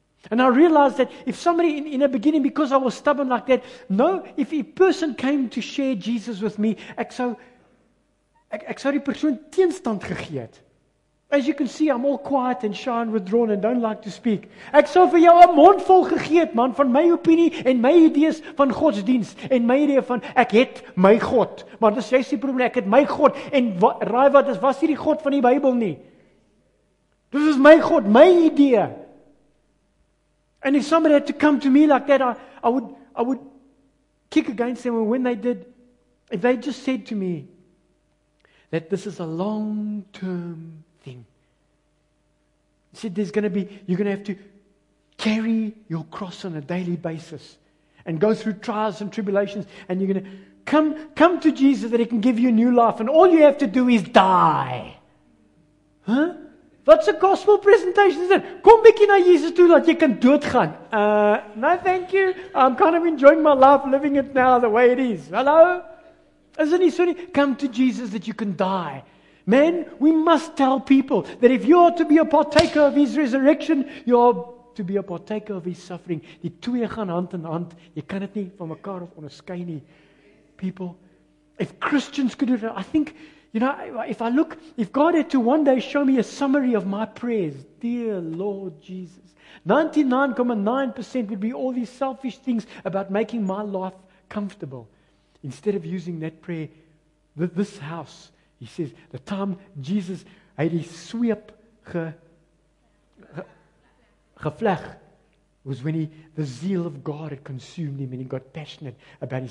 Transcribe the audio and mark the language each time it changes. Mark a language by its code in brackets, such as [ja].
[en] And I realized that if somebody in the beginning, because I was stubborn like that, no, if a person came to share Jesus with me, [af] ek sou die persoon teenstand gegee het. [en] As you can see, I'm all quiet and shy and withdrawn and don't like to speak. [af] Ek sou vir jou 'n mond vol gegee het, man, van my opinie en my idees van godsdienst en my idee van ek het my God. Maar dis jy se probleem, ek het my God en was hier die God van die Bybel nie. Dis is my God, my idee. [en] And if somebody had to come to me like that, I would kick against them. And when they did, if they just said to me that this is a long-term thing, said there's going to be, you're going to have to carry your cross on a daily basis and go through trials and tribulations, and you're going to come to Jesus that He can give you a new life, and all you have to do is die. Huh? What's a gospel presentation? Is it? [af] Kom bietjie na Jesus toe dat jy kan doodgaan. [en] No, thank you. I'm kind of enjoying my life, living it now the way it is. Hello? Isn't he sorry? Come to Jesus that you can die. Man, we must tell people that if you are to be a partaker of His resurrection, you are to be a partaker of His suffering. [af] Die twee gaan hand in hand. Jy kan dit nie van mekaar of onderskei nie. [en] People, if Christians could do that, I think... You know, if God had to one day show me a summary of my prayers, dear Lord Jesus, 99.9% would be all these selfish things about making my life comfortable. Instead of using that prayer, this house, He says, the time Jesus had His [af] sweep gevleg [en] was when the zeal of God had consumed Him and He got passionate about it.